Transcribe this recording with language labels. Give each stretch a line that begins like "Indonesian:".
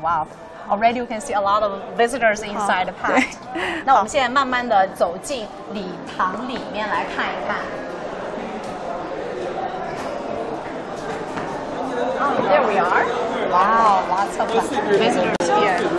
English: Wow, already you can see a lot of visitors inside the park.
Chinese: 那我们现在慢慢的走进礼堂里面来看一看。
English: Oh, there we are. Wow, lots of visitors here.